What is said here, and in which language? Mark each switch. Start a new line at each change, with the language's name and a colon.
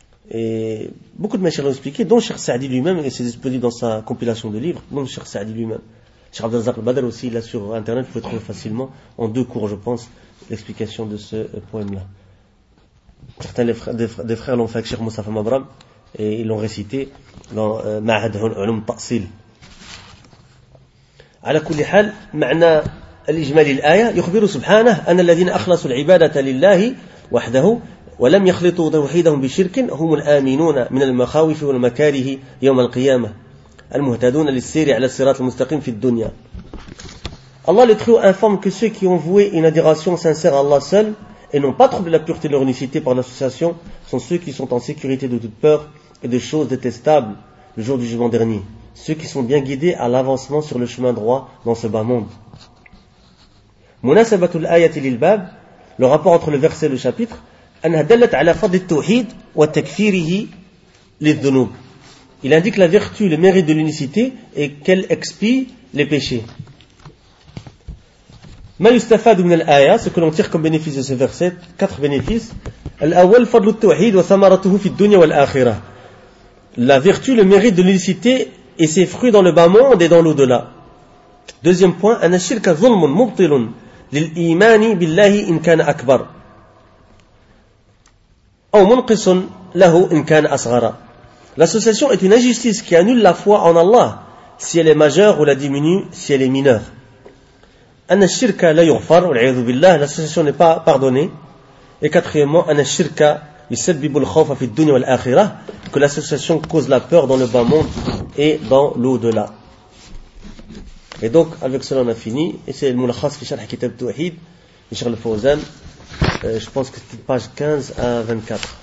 French: Et beaucoup de mashallah ont expliqué, dont Cheikh Saadi lui-même, et c'est disponible dans sa compilation de livres, dont Cheikh Saadi lui-même. Cheikh Abdelazak al-Badr aussi, là sur internet, vous pouvez trouver facilement, en deux cours, je pense, l'explication de ce poème-là. Certains des frères l'ont fait avec Cheikh Moustapha Mabram, et ils l'ont récité dans Ma'had ul-Ulum Ta'sil.
Arabic: Ala kulli hal, ma'na al-ijmali al-aya, yukhbiru subhanah, anna alladhina akhlasu al-ibadata lillahi, وحده ولم يخلطوا توحيدهم بشرك هم الآمنون من المخاوف والمكاره يوم القيامة المهتدون للسير على الصراط المستقيم في الدنيا.
French: Allah le trio informe que ceux qui ont voué une adhération sincère à Allah seul et n'ont pas troublé la pureté de leur unicité par l'association sont ceux qui sont en sécurité de toute peur et de choses détestables le jour du jugement dernier, ceux qui sont bien guidés à l'avancement sur le chemin droit dans ce bas monde.
Arabic: مناسبة الآية للباب.
French: Le rapport entre le verset et le chapitre,
Arabic: أنها دلت على فضل التوحيد وتكفيره للذنوب.
French: Il indique la vertu, le mérite de l'unicité et qu'elle expie les péchés.
Arabic: ما يستفاد من الآية,
French: ce que l'on tire comme bénéfice de ce verset, quatre bénéfices.
Arabic: الأول فضل التوحيد وثمرته في الدنيا والآخرة.
French: La vertu, le mérite de l'unicité et ses fruits dans le bas monde et dans l'au-delà. Deuxième point,
Arabic: أن الشرك ظلم مبطل للإيمان بالله إن كان أكبر أو منقص له إن كان أصغر.
French: L'association est une injustice qui annule la foi en Allah si elle est majeure ou la diminue si elle est mineure.
Arabic: أن الشرك لا يغفر والعياذ بالله,
French: l'association n'est pas pardonnée. Et quatrièmement,
Arabic: أن الشرك يسبب الخوف في الدنيا والآخرة,
French: que l'association cause la peur dans le bas monde et dans l'au-delà. Et donc, avec cela, on a fini. Et c'est le moulakhas qui charge Kitab Touhid, Inch'Allah Fawzan. Je pense que c'était page 15 à 24.